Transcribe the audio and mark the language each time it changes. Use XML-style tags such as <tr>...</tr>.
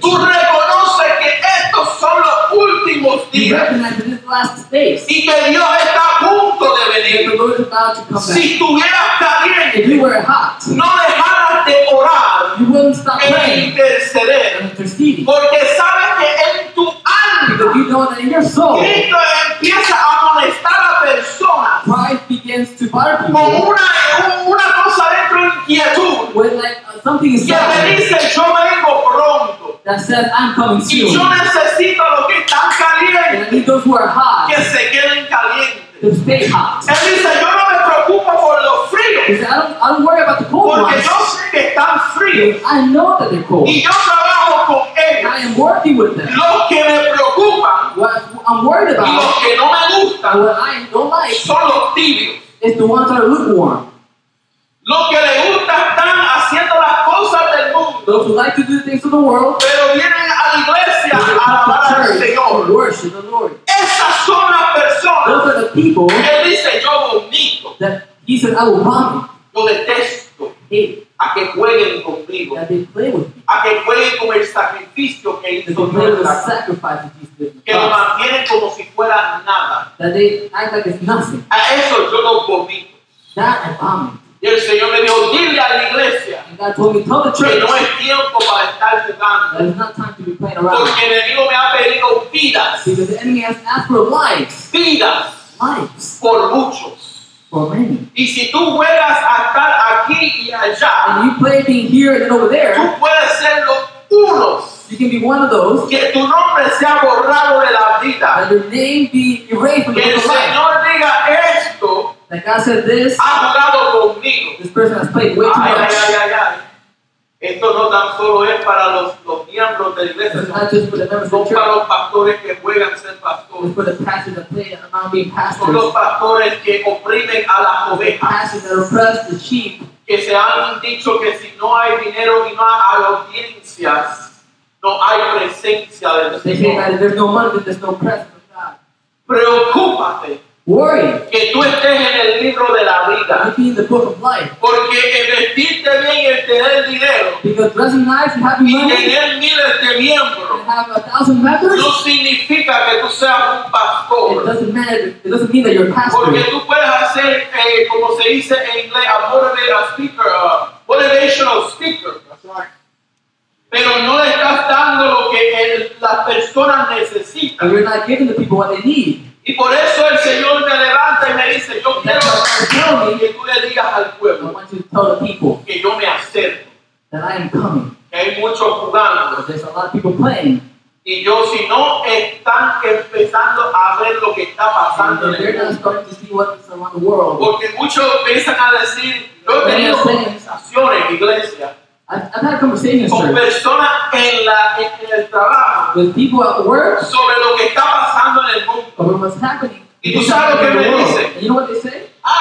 <es>Tú reconoces que estos son los últimos días.</es> <en>He recognized that his last days.</en> <es>Y que Dios está a punto de venir.</es> <en>That the Lord is about to come back.</en> <es>Si estuvieras caliente,</es> <en>if you were hot,</en> <es>no dejaras de orar.</es> <en>You wouldn't stop praying.</en> <es>Interceder. Porque sabes que en tu alma,</es> <en>because you know that in your soul,</en> <es>Cristo empieza a molestar a personas.</es> <en>Christ begins to bother people.</en> <es>Con una cosa dentro de inquietud.</es> <en>With like something inside.</en> <es>Que me dice, yo vengo pronto.</es> <en>That says, I'm coming soon.</en> <es>Y yo necesito los que están calientes.</es> <en>Those who are hot,</en> <es>que se queden calientes.</es> <en>To stay hot.</en> <es>Él dice, yo no me preocupo por los fríos.</es> <en>He said, I don't worry about the cold</en> <es>porque</es> <en>ones.</en> <es>Yo sé que están fríos.</es> <en>I know that they're cold.</en> <es>Y yo trabajo con ellos.</es> <en>I am working with them.</en> <es>Los que me preocupan.</es> <en>What I'm worried about.</en> <es>Y los que no me gustan.</es> <en>What I don't like.</en> <es>Son los tibios.</es> <en>It's the ones that are lukewarm.</en> <es>Los que les gusta están haciendo las cosas del mundo.</es> <en>Those who like to do things of the world.</en> <es>Pero vienen a la iglesia a alabar al Señor.</es> <en>Worship the Lord.</en> <es>Esas son las personas.</es> <en>Those are the people.</en> <es>Él dice, yo vomito.</es> <en>That he said, I will vomit.</en> <es>Yo detesto.</es> <en>Hey,</en> <es>a que jueguen conmigo.</es> <en>That they play with me.</en> <es>A que jueguen con el sacrificio que hizo Dios.</es> <en>That they play with the sacrifice</en> <es>que lo mantienen como si fuera nada.</es> <en>That they act like it's nothing.</en> <es>A eso yo no vomito.</es> <en>That I vomit.</en> <es>Y el Señor me dijo, dile a la iglesia que no es tiempo para estar jugando.</es> <en>It's not time to be playing around.</en> <es>Porque el enemigo me ha pedido vidas.</es> <en>Because the enemy has asked for lives.</en> <es>Vidas.</es> <en>Lives.</en> <es>Por muchos.</es> <en>For many.</en> <es>Y si tú juegas a estar aquí y allá,</es> <en>and you play being here and then over there,</en> <es>tú puedes ser los unos.</es> <en>You can be one of those.</en> <es>Que tu nombre sea borrado de la vida.</es> <en>That your name be erased from</en> <es>que</es> <en>the book of life.</en> <es>Que el Señor diga esto.</es> <en>That God said this.</en> <es>Ha jugado conmigo.</es> <en>This person has played way too much. Ay, ay, ay, ay.</en> <es>Esto no tan solo es para los miembros de la iglesia.</es> <en>It's not just for the members of the church.</en> <es>Son para los pastores que juegan ser pastores.</es> <en>It's for the pastors that play and not being pastors.</en> <es>Son los pastores que oprimen a las ovejas.</es> <en>The pastors that oppress the sheep.</en> <es>Que se han dicho que si no hay dinero y no hay audiencias, no hay presencia del Señor.</es> <en>They say that there's no money, that there's no presence of God.</en> <es>Preocúpate.</es> <en>Worry.</en> <es>Que tú estés en el libro de la vida.</es> <en>You be in the book of life.</en> <es>Porque el vestirte bien y el tener dinero.</es> <en>Because dressing nice and having money.</en> <es>Y tener miles de miembros.</es> <en>And have 1,000 members.</en> <es>No significa que tú seas un pastor.</es> <en>It doesn't matter. It doesn't mean that you're a pastor.</en> <es>Porque tú puedes hacer, como se dice en inglés,</es> <en>a motivational speaker. Motivational speaker. That's right.</en> <es>Pero no le estás dando lo que las personas necesitan.</es> <en>You're not giving the people what they need.</en> <es>Y por eso el Señor me levanta y me dice, yo quiero que tú le digas al pueblo,</es> <en>I want you to tell the people</en> <es>que yo me acerco.</es> <en>That I am coming.</en> <es>Que hay muchos jugando.</es> <en>But there's a lot of people playing.</en> <es>Y yo, si no están empezando a ver lo que está pasando.</es> <en>They're not starting to see what's around the world.</en> <es>Porque muchos empiezan a decir, yo he tenido conversaciones en iglesia.</es> <en>I've had conversations</en> <es>con personas en el trabajo,</es> <en>with people at work,</en> <es>sobre lo que está pasando en el mundo,</es> <en>about what's happening.</en> <es>Y tú sabes lo que me dicen.</es> <en>You know what they say?</en>